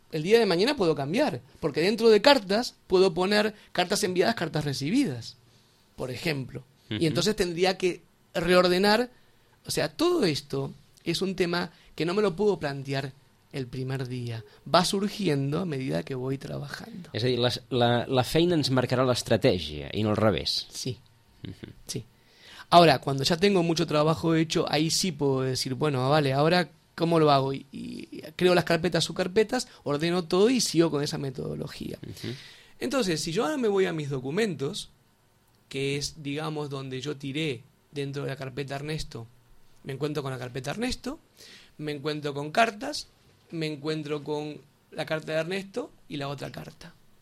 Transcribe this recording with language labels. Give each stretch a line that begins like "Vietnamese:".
Spanish: el día de mañana puedo cambiar, porque dentro de cartas puedo poner cartas enviadas, cartas recibidas, por ejemplo. Uh-huh. Y entonces tendría que reordenar. O sea, todo esto es un tema que no me lo puedo plantear el primer día. Va surgiendo a medida que voy trabajando.
Catalan: És a dir, la feina ens marcarà l'estratègia i no al revés.
Spanish: Sí, uh-huh. Sí. Ahora, cuando ya tengo mucho trabajo hecho, ahí sí puedo decir, bueno, vale, ahora, ¿cómo lo hago? Y creo las carpetas, subcarpetas, ordeno todo y sigo con esa metodología. Uh-huh. Entonces, si yo ahora me voy a mis documentos, que es, digamos, donde yo tiré dentro de la carpeta Ernesto, me encuentro con la carpeta Ernesto, me encuentro con cartas, me encuentro con la carta de Ernesto y la otra carta.